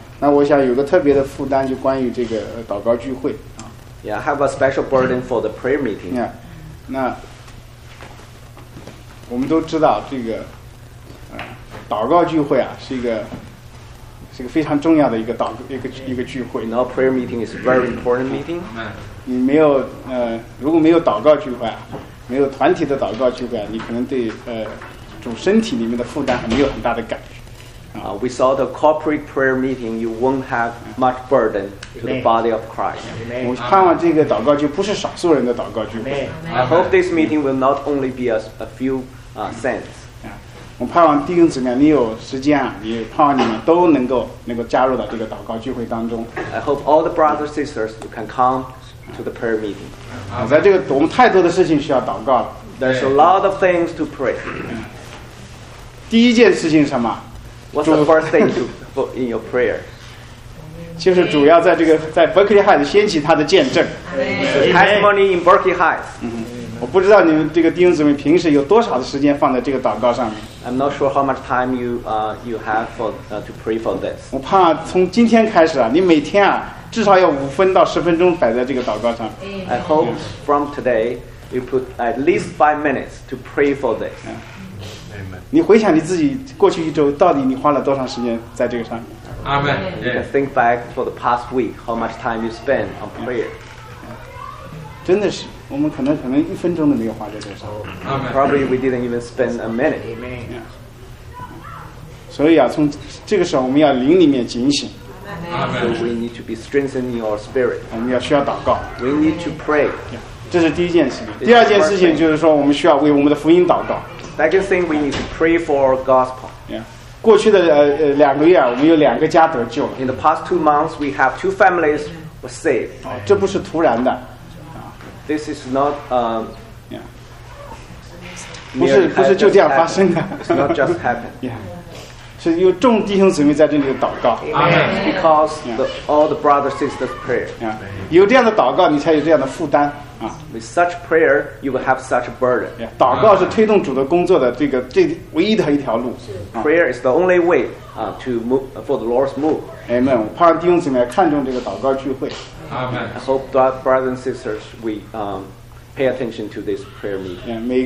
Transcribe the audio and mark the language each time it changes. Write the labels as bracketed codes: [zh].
[zh] 那我想有个特别的负担，就关于这个祷告聚会。 [en] Yeah, have a special burden for the prayer meeting. Yeah. [zh] 那我们都知道这个祷告聚会啊，是一个非常重要的一个聚会。 [en] You know, prayer meeting is a very important meeting. [zh] 你没有如果没有祷告聚会啊，没有团体的祷告聚会啊，你可能对主身体里面的负担还没有很大的感觉。 [en] Without a corporate prayer meeting, you won't have much burden to the body of Christ. [zh] 我盼望这个祷告就不是少数人的祷告聚会。 [en] I hope this meeting will not only be a few saints. [zh] 我盼望弟兄姊妹，你有时间啊，也盼望你们都能够加入到这个祷告聚会当中。 [en] I hope all the brothers and sisters can come to the prayer meeting. [zh] 在这个我们太多的事情需要祷告了。 [en] There's a lot of things to pray. [zh] 第一件事情是什么？ [en] What's the first thing to put in your prayer? [zh] 就是主要在 Berkeley Heights 掀起他的见证。 [en] Testimony in Berkeley Heights. [zh] 我不知道你们这个弟兄姊妹平时有多少的时间放在这个祷告上面。 [en] I'm not sure how much time you have to pray for this. [zh] 我怕从今天开始啊，你每天啊至少要5分到10分钟摆在这个祷告上。 [en] I hope from today you put at least 5 minutes to pray for this. [zh] 你回想你自己过去一周，到底你花了多长时间在这个上面？阿门。 [en] You can think back for the past week, how much time you spend on prayer. [zh] 真的是，我们可能一分钟都没有花在这上。阿门。 [en] Probably we didn't even spend a minute. Amen. [zh] 所以啊，从这个时候我们要灵里面警醒。阿门。 [en] So we need to be strengthening our spirit. [zh] 我们要需要祷告。 [en] We need to pray. [zh] 这是第一件事情。第二件事情就是说，我们需要为我们的福音祷告。 [en] Second thing, we need to pray for gospel. Yeah. [zh] 过去的两个月，我们有两个家得救了。 [en] In the past 2 months, we have 2 families were saved. [zh] 这不是突然的。 [en] This is not [zh] Yeah. 不是就这样发生的。 [en] It's not just happened. Yeah. 是有众弟兄姊妹在这里祷告。 Amen. Because all the brothers and sisters prayer. Yeah. [zh] 有这样的祷告，你才有这样的负担。 [en] With such prayer, you will have such a burden. [zh] Yeah, 祷告是推动主的工作的这唯一的一条路。 [en] Prayer is the only way to move for the Lord's move. Amen. [zh] 我盼望弟兄姊妹看重这个祷告聚会。 [en] Amen. I hope that brothers and sisters we pay attention to this prayer meeting.